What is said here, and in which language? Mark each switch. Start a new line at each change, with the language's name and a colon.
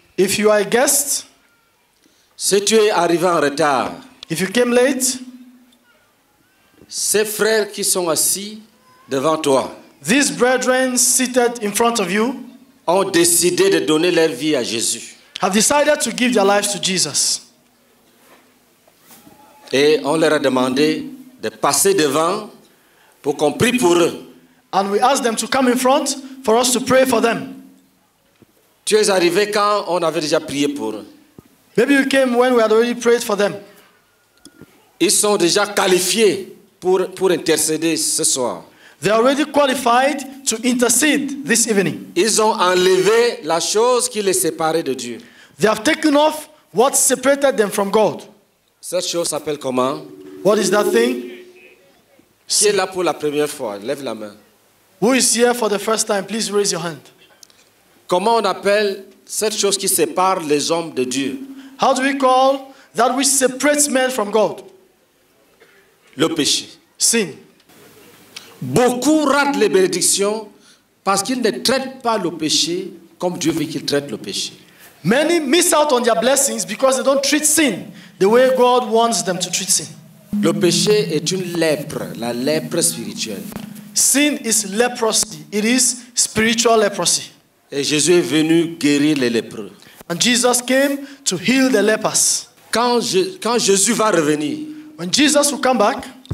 English: if you are a guest,
French: si tu es arrivé en retard,
English: if you came late,
French: ces frères qui sont assis devant toi,
English: these brethren seated in front of you,
French: ont décidé de donner leur vie à Jésus.
English: Have decided to give their lives to Jesus.
French: Et on leur a demandé de passer devant pour qu'on prie pour eux.
English: And we asked them to come in front for us to pray for them.
French: Tu es arrivé quand on avait déjà prié pour eux.
English: Maybe you came when we had already prayed for them.
French: Ils sont déjà qualifiés pour intercéder ce soir.
English: They are already qualified to intercede this evening.
French: Ils ont enlevé la chose qui les séparait de Dieu.
English: They have taken off what separated them from God.
French: Cette chose s'appelle comment?
English: What is that thing?
French: Qui est là pour la première fois? Lève la main.
English: Who is here for the first time? Please raise your hand.
French: Comment on appelle cette chose qui sépare les hommes de Dieu?
English: How do we call that which separates men from God?
French: Le péché.
English: Sin.
French: Beaucoup ratent les bénédictions parce qu'ils ne traitent pas le péché comme Dieu veut qu'ils traitent le péché.
English: Many miss out on their blessings because they don't treat sin the way God wants them to treat sin.
French: Le péché est une lèpre, la lèpre spirituelle.
English: Sin is leprosy. It is spiritual leprosy.
French: Et Jésus est venu guérir les lépreux.
English: And Jesus came to heal the lepers.
French: Quand Jésus va revenir,
English: when Jesus will come back,